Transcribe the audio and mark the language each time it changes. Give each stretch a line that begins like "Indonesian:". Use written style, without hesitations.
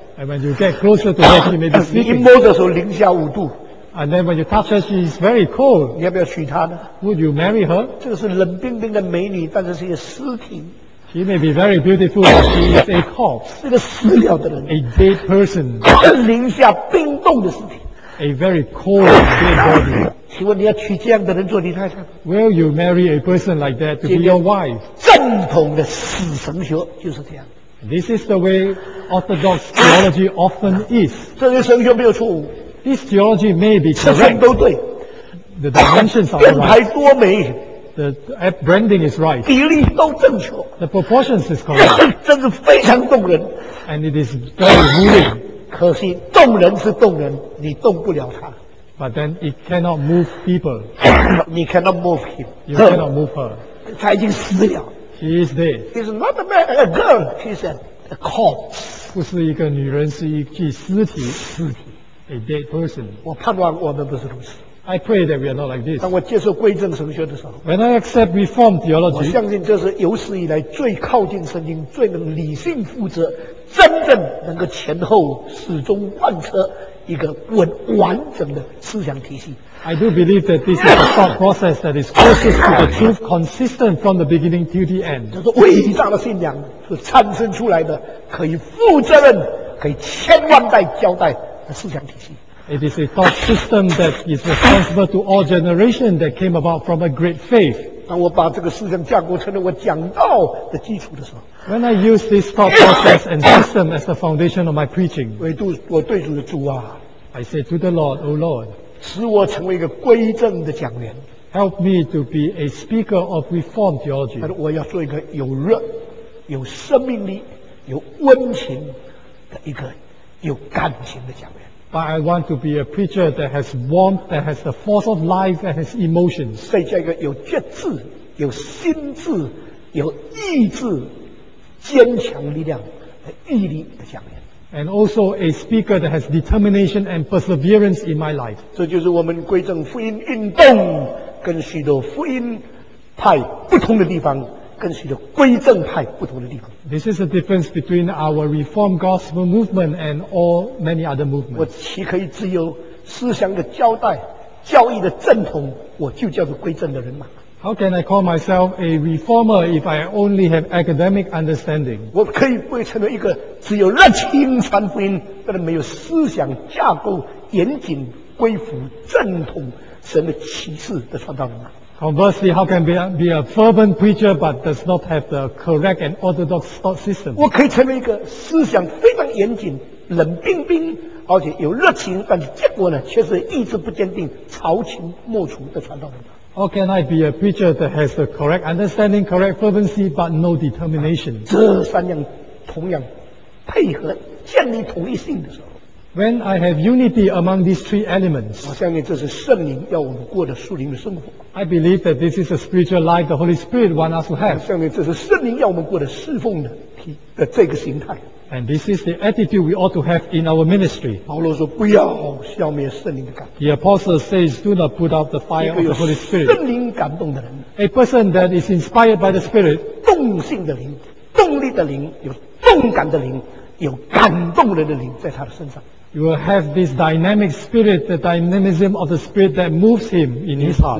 English: And when you get closer to her, she may be sleeping.
Chinese: 你一摸的时候零下5度。
English: And then when you touch her, she's very cold.
Chinese: 你要不要娶她呢？
English: Would you marry her?
Chinese: 这个是冷冰冰的美女，但是是一个尸体。
English: She may be very beautiful, but she is a corpse.
Chinese: 是个死了的人。
English: A dead person.
Chinese: 零下冰冻的尸体。
English: A very cold dead body.
Chinese: 请问你要娶这样的人做你太太？
English: Will you marry a person like that to be your wife?
Chinese: 正统的死神学就是这样。
English: This is the way Orthodox theology often is.
Chinese: 这些神学没有错误。
English: This theology may be correct.
Chinese: 都对。
English: The dimensions are right.
Chinese: 盾牌多美。
English: The branding is right.
Chinese: 比例都正确。
English: The proportions is correct.
Chinese: 真是非常动人。
English: And it is very moving.
Chinese: 可惜动人是动人，你动不了他。
English: But then it cannot move people.
Chinese: 你
English: cannot move him. You cannot move her.
Chinese: 他已经死了。
English: She is dead. She's not a man, a girl. She's a corpse.
Chinese: 不是一个女人，是一具尸体。尸体。
English: A dead person.
Chinese: 我盼望我们不是如此。
English: I pray that we are not like this.
Chinese: 当我接受归正神学的时候，
English: When I accept Reform theology,
Chinese: 我相信这是有史以来最靠近圣经、最能理性负责、真正能够前后始终贯彻一个完整的思想体系。
English: I do believe that this is a thought process that is closest to the truth, consistent from the beginning to the end.
Chinese: 这是伟大的信仰是产生出来的，可以负责任、可以千万代交代的思想体系。
English: It is a thought system that is responsible to all generation that came about from a great faith.
Chinese: 当我把这个思想架构成了我讲道的基础的时候，
English: When I use this thought process and system as the foundation of my preaching,
Chinese: 唯独我对主的主啊，
English: I say to the Lord, O Lord,
Chinese: 使我成为一个归正的讲员，
English: Help me to be a speaker of Reform theology.
Chinese: 但是我要做一个有热、有生命力、有温情的一个有感情的讲员。
English: But I want to be a preacher that has warmth, that has the force of life, and has emotions.
Chinese: 再加一个有节制、有心智、有意志、坚强力量和毅力的讲员。
English: And also a speaker that has determination and perseverance in my life.
Chinese: 这就是我们归正福音运动跟许多福音派不同的地方。跟许多归正派不同的地方。
English: This is the difference between our Reform Gospel movement and all many other movements.
Chinese: 我岂可以只有思想的交代、教义的正统，我就叫做归正的人吗？
English: How can I call myself a reformer if I only have academic understanding?
Chinese: 我可以不会成为一个只有热情传福音，但是没有思想架构严谨、归服正统神的启示的传道人吗？
English: Conversely, how can be a fervent preacher but does not have the correct and orthodox thought system?
Chinese: 我可以成为一个思想非常严谨、冷冰冰，而且有热情，但是结果呢，却是意志不坚定、朝秦暮楚的传道人。
English: Or can I be a preacher that has the correct understanding, correct fervency, but no determination?
Chinese: 这三样同样配合建立同一性的时候。
English: When I have unity among these three elements,
Chinese: 我相信这是圣灵要我们过的属灵的生活。
English: I believe that this is a spiritual life the Holy Spirit wants us to have.
Chinese: 我相信这是圣灵要我们过的侍奉的这个形态。
English: And this is the attitude we ought to have in our ministry.
Chinese: 保罗说不要消灭圣灵的感动。
English: The apostle says, do not put out the fire of the Holy Spirit.
Chinese: 圣灵感动的人。
English: A person that is inspired by the Spirit.
Chinese: 动性的灵，动力的灵，有动感的灵，有感动人的灵在他的身上。
English: You will have this dynamic spirit, the dynamism of the spirit that moves him in his heart.